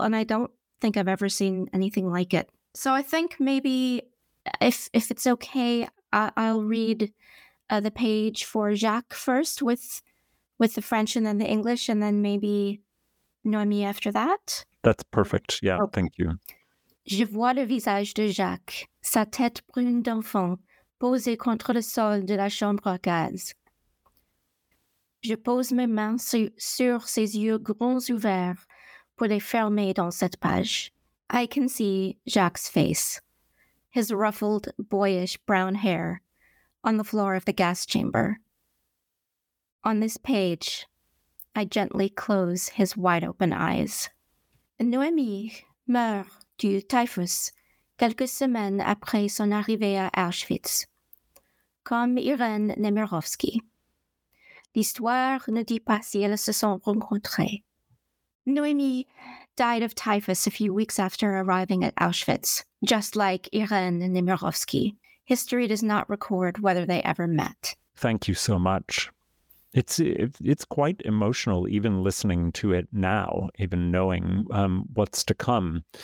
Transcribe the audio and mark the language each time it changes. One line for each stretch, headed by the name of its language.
English: And I don't think I've ever seen anything like it. So I think maybe if it's okay, I'll read the page for Jacques first with the French and then the English, and then maybe Noemi after that. That's perfect. Yeah, okay. Thank you.
French: Je vois le visage de Jacques, sa tête brune d'enfant, posée contre le sol de la chambre à gaz. Je pose mes mains sur ses yeux grands ouverts pour les fermer dans cette page.
English: I can see Jacques' face, his ruffled, boyish brown hair, on the floor of the gas chamber. On this page, I gently close his wide-open eyes.
French: Noemi meurt du typhus quelques semaines après son arrivée à Auschwitz, comme Irène Nemirovsky. L'histoire ne dit pas si elles se sont rencontrées.
English: Noemi died of typhus a few weeks after arriving at Auschwitz, just like Irène Nemirovsky. History does not record whether they ever met. Thank you so much. It's quite emotional, even listening to it now, even knowing what's to come.